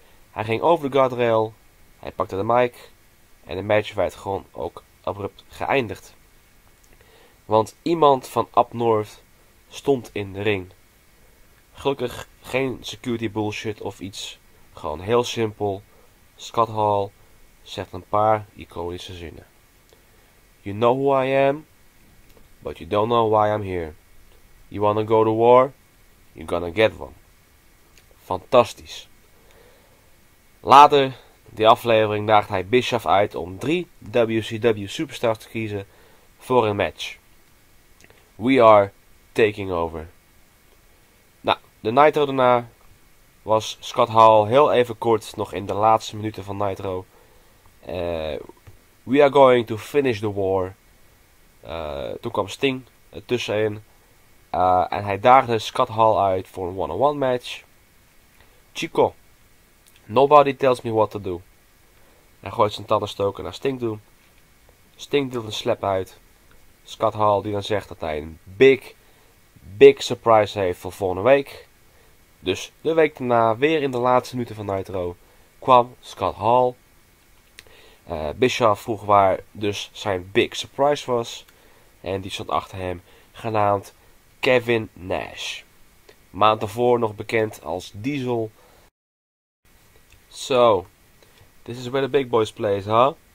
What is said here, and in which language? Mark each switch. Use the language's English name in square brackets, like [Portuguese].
[Dutch] Hij ging over de guardrail, hij pakte de mic en de match werd gewoon ook abrupt geëindigd. Want iemand van Up North stond in de ring. Gelukkig geen security bullshit of iets. Gewoon heel simpel. Scott Hall zegt een paar iconische zinnen. [English] You know who I am, but you don't know why I'm here. You wanna go to war? You're gonna get one. Fantastisch. [Dutch] Later, die aflevering, daagt hij Bischoff uit om 3 WCW superstars te kiezen voor een match. [English] We are taking over. [Dutch] Nou, de Nitro daarna was Scott Hall heel even kort nog in de laatste minuten van Nitro. [English] We are going to finish the war. [Dutch] Toen kwam Sting ertussenin. En hij daagde Scott Hall uit voor een one-on-one match. [English] Chico, nobody tells me what to do. [Dutch] Hij gooit zijn tandenstoker naar Sting toe. Sting deelt een slap uit. Scott Hall die dan zegt dat hij een big, big surprise heeft voor volgende week. Dus de week daarna, weer in de laatste minuten van Nitro, kwam Scott Hall. Bischoff vroeg waar dus zijn big surprise was. En die stond achter hem, genaamd Kevin Nash. Maand ervoor nog bekend als Diesel. [English] So, this is where the big boys play, huh?